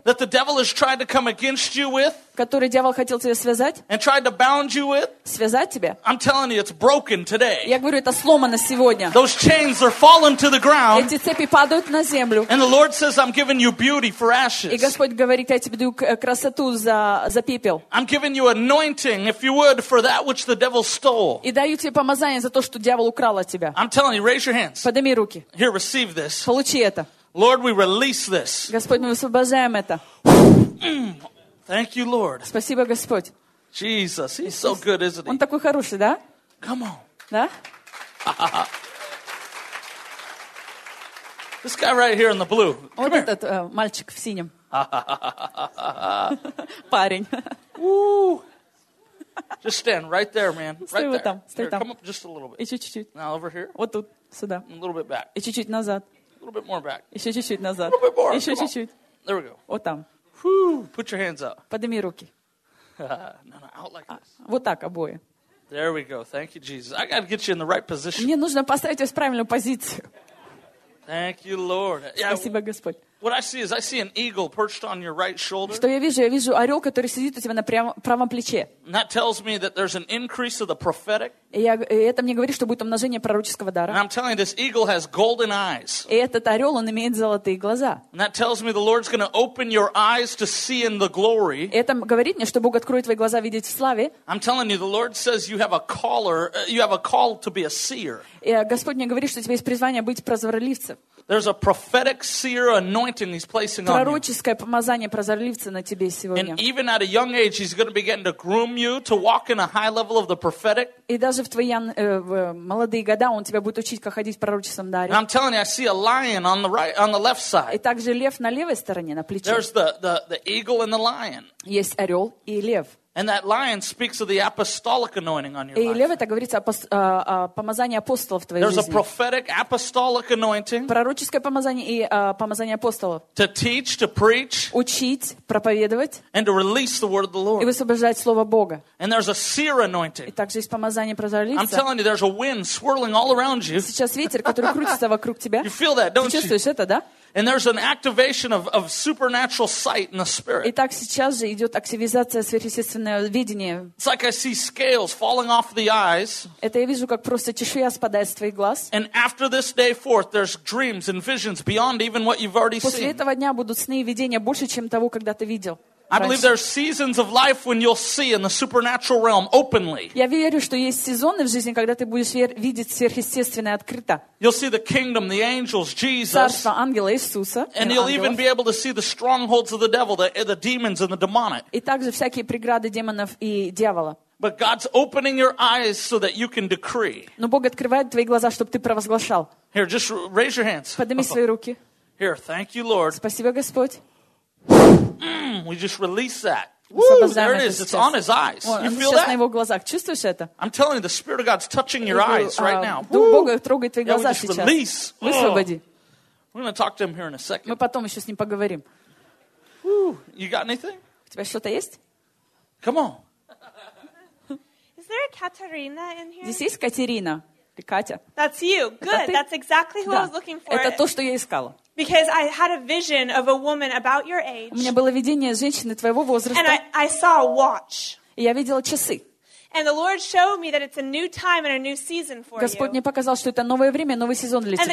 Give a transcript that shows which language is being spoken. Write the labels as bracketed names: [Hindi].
[English] That the devil has tried to come against you with. [Russian] Которую дьявол хотел тебя связать. [English] And tried to bound you with. [Russian] Связать тебя. [English] I'm telling you, it's broken today. [Russian] Я говорю, это сломано сегодня. [English] Those chains are falling to the ground. [Russian] Эти цепи падают на землю. [English] And the Lord says, I'm giving you beauty for ashes. [Russian] И Господь говорит, я тебе даю красоту за пепел. [English] I'm giving you anointing, if you would, for that which the devil stole. [Russian] И даю тебе помазание за то, что дьявол украл от тебя. [English] I'm telling you, raise your hand. [Russian] Подними руки. [English] Here, receive this. [Russian] Получи это. [English] Lord, we release this. [Russian] Господь, мы высвобождаем это. [English] Thank you, Lord. [Russian] Спасибо, Господь. [English] Jesus, He's so good, isn't He? [Russian] Он такой хороший, да? [English] Come on. [Russian] Да? [English] This guy right here in the blue. [Russian] Вот этот мальчик в синем. Парень. [English] Just stand right there, man. [Russian] Стой [English] right [Russian] вот там. [English] There. [Russian] Стой [English] here, [Russian] там. [English] Come up just a little bit. [Russian] И чуть-чуть. [English] Now over here. [Russian] Вот тут. Сюда. [English] A little bit back. [Russian] И чуть-чуть назад. [English] A little bit more back. [Russian] Еще чуть-чуть назад. [English] A little bit more. [Russian] Еще чуть-чуть. [English] There we go. [Russian] Вот там. [English] Whew. Put your hands up. [Russian] Подними руки. [English] No, out like this. [Russian] Вот так обои. [English] There we go. Thank you, Jesus. I got to get you in the right position. [Russian] Мне нужно поставить вас в правильную позицию. [English] Thank you, Lord. [Russian] Спасибо, Господь. [English] What I see is I see an eagle perched on your right shoulder. [Russian] Что я вижу орел, который сидит у тебя на правом плече. [English] And that tells me that there's an increase of the prophetic. [Russian] И это мне говорит, что будет умножение пророческого дара. [English] And I'm telling you, this eagle has golden eyes. [Russian] И этот орел, он имеет золотые глаза. [English] And that tells me the Lord's going to open your eyes to see in the glory. [Russian] Это говорит мне, что Бог откроет твои глаза видеть в славе. [English] I'm telling you, the Lord says you have a caller, you have a call to be a seer. [Russian] И Господь мне говорит, что у тебя есть призвание быть прозорливцем. [English] There's a prophetic seer anointing he's placing on you. [Russian] Пророческое помазание прозорливца на тебе сегодня. [English] And even at a young age, he's going to begin to groom you to walk in a high level of the prophetic. [Russian] И даже в твои молодые года он тебя будет учить, как ходить в пророческом даре. [English] I'm telling you, I see a lion on the right, on the left side. [Russian] И также лев на левой стороне, на плече. [English] There's the eagle and the lion. [Russian] Есть орел и лев. [English] And that lion speaks of the apostolic anointing on your [Russian] и [English] life. [Russian] И лев это говорит о помазании апостолов в твоей [English] There's [Russian] жизни. [English] There's a prophetic apostolic anointing. [Russian] Пророческое помазание и помазание апостолов. [English] To teach, to preach. [Russian] Учить, проповедовать. [English] And to release the word of the Lord. [Russian] И высвобождать слово Бога. [English] And there's a seer anointing. [Russian] И также есть помазание прозорливца. [English] I'm telling you, there's a wind swirling all around you. [Russian] Сейчас ветер, который крутится вокруг тебя. [English] You feel that, don't you? [Russian] Ты чувствуешь это, да? [English] And there's an activation of supernatural sight in the spirit. [Russian] Итак, сейчас же идет активизация сверхъестественного видения. [English] It's like I see scales falling off the eyes. [Russian] Это я вижу, как просто чешуя спадает с твоих глаз. [English] And after this day forth, there's dreams and visions beyond even what you've already [Russian] После [English] seen. [Russian] После этого дня будут сны и видения больше, чем того, когда ты видел. [English] I believe there are seasons of life when you'll see in the supernatural realm openly. [Russian] Я верю, что есть сезоны в жизни, когда ты будешь видеть сверхъестественное открыто. [English] You'll see the kingdom, the angels, Jesus. [Russian] Царство, ангелы, Иисуса. [English] And you'll even be able to see the strongholds of the devil, the demons and the demonic. [Russian] И также всякие преграды демонов и дьявола. [English] But God's opening your eyes so that you can decree. [Russian] Но Бог открывает твои глаза, чтобы ты провозглашал. [English] Here, just raise your hands. [Russian] Подними свои руки. [English] Here, thank you, Lord. [Russian] Спасибо, Господь. [English] We just release that. Woo, there it is. It's on his eyes. You feel that? [Russian] На его глазах. Чувствуешь это? [English] I'm telling you, the Spirit of God's touching your eyes right now. [Russian] Дух Бога трогает твои глаза сейчас. [English] Yeah, we just release. [Russian] Высвободи. [English] We're going to talk to him here in a second. [Russian] Мы потом еще с ним поговорим. [English] You got anything? [Russian] У тебя что-то есть? [English] Come on. Is there a Katarina in here? [Russian] Здесь есть Катерина. Катя. [English] That's you. Good. That's exactly who I was looking for. [Russian] Это то, что я искала. [English] Because I had a vision of a woman about your age. [Russian] У меня было видение женщины твоего возраста. [English] And I saw a watch. [Russian] Я видела часы. [English] And the Lord showed me that it's a new time and a new season for you. [Russian] Господь мне показал, что это новое время, новый сезон для тебя.